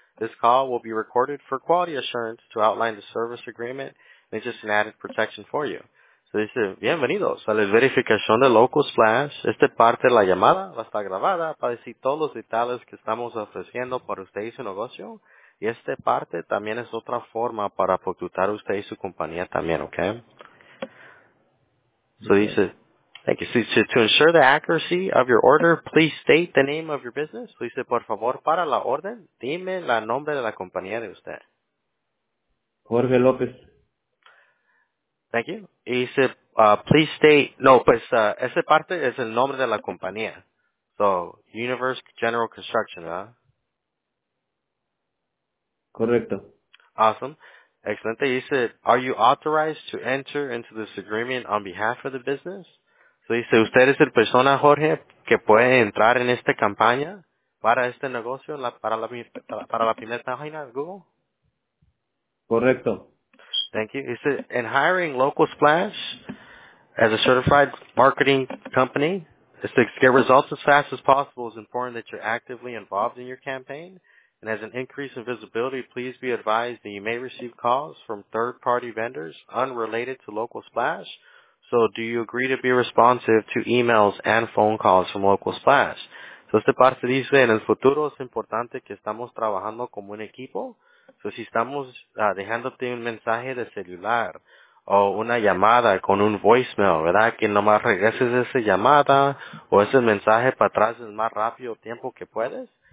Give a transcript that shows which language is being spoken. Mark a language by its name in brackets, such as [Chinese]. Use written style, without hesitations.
[English] This call will be recorded for quality assurance to outline the service agreement. It's just an added protection for you. [Spanish] Se dice, bienvenidos a la verificación de Local Splash. Esta parte de la llamada va a estar grabada para decir todos los detalles que estamos ofreciendo para usted y su negocio. Y esta parte también es otra forma para facturar usted y su compañía también, ¿ok? [English] So Okay. dice, thank you. To ensure the accuracy of your order, please state the name of your business. [Spanish] Se dice, por favor, para la orden, dime el nombre de la compañía de usted. Jorge López. [English] Thank you. [Spanish] Y dice, [English] please state, [Spanish] no, pues, esa parte es el nombre de la compañía. So, Universe General Construction, ¿verdad? Correcto. [English] Awesome. Excelente. [Spanish] Y dice, [English] are you authorized to enter into this agreement on behalf of the business? [Spanish] So, dice, usted es el persona, Jorge, que puede entrar en esta campaña para este negocio, para la primera página de Google? Correcto. [English] Thank you. He said, in hiring Local Splash as a certified marketing company, to get results as fast as possible, it's important that you're actively involved in your campaign. And as an increase in visibility, please be advised that you may receive calls from third-party vendors unrelated to Local Splash. So do you agree to be responsive to emails and phone calls from Local Splash? [Spanish] So esta parte dice, en el futuro es importante que estamos trabajando como un equipo. So, si estamos dejándote un mensaje de celular o una llamada con un voicemail, ¿verdad? Que nomás regreses esa llamada o ese mensaje para atrás el más rápido tiempo que puedes.